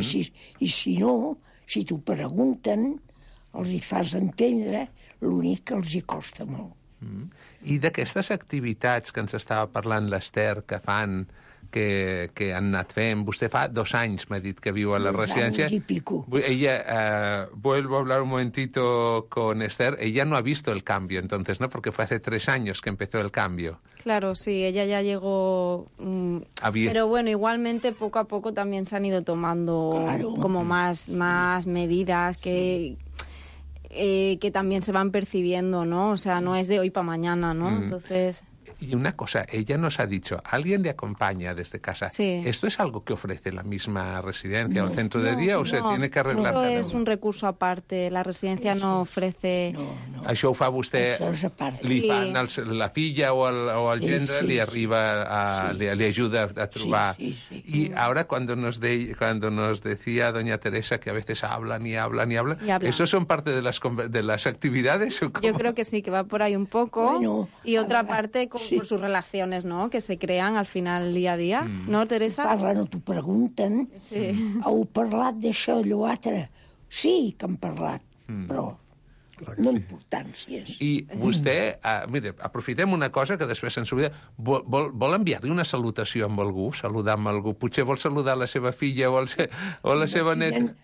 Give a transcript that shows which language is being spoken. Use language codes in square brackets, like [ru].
[ca] I si no, si t'ho pregunten, els hi fas entendre l'únic que els hi costa molt. Mm. I d'aquestes activitats que ens estava parlant l'Ester, que fan, que han anat fent... Vostè fa 2 anys, m'ha dit, que viu a la residència. 2 anys i pico. [es] Ella, vuelvo a hablar un momentito con Esther. Ella no ha visto el cambio, entonces, ¿no? Porque fue hace 3 años que empezó el cambio. Claro, sí, ella ya llegó... Pero bueno, igualmente, poco a poco también se han ido tomando, claro, como más medidas que... Sí. Que también se van percibiendo, ¿no? O sea, no es de hoy para mañana, ¿no? Mm. Entonces... Y una cosa, ella nos ha dicho, alguien le acompaña desde casa. Sí. ¿Esto es algo que ofrece la misma residencia, no, o el centro de día, no, o se no, tiene que arreglar? Eso es un recurso aparte. La residencia no ofrece... No. [ca] Això ho fa vostè, es li fan, sí, el, la filla o el, sí, gendre, sí, li arriba, a, sí, li ajuda a trobar. Sí, sí, sí. I ara, [es] quan nos decía doña Teresa que a veces hablan. ¿Eso son parte de las actividades? ¿O cómo? Yo creo que sí, que va por ahí un poco. Bueno, y otra parte... Sí. Por sus relaciones, ¿no?, que se crean al final día a día, mm, ¿no, Teresa? [ca] Parlen o t'ho pregunten. Sí. Heu parlat d'això allò altre? Sí que han parlat, mm, però... No importàncies. I vostè, mire, aprofitem una cosa que després se'ns oblida. Vol enviar-li una salutació amb algú? Saludar amb algú? Potser vol saludar la seva filla o la seva neta?